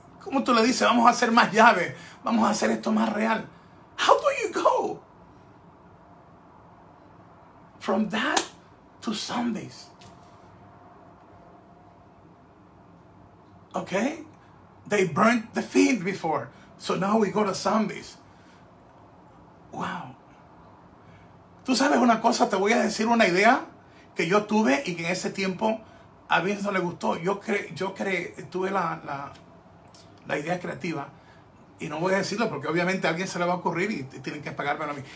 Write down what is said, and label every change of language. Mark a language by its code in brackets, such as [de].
[es] ¿Cómo tú le dices, vamos a hacer más llaves, vamos a hacer esto más real? [en] How do you go from that to zombies? okay, they burnt the fiend before, so now we go to zombies. Wow. [es] Tú sabes una cosa, te voy a decir una idea que yo tuve y que en ese tiempo a Vince no le gustó. Yo tuve la idea creativa. Y no voy a decirlo porque obviamente a alguien se le va a ocurrir y tienen que pagármelo a mí.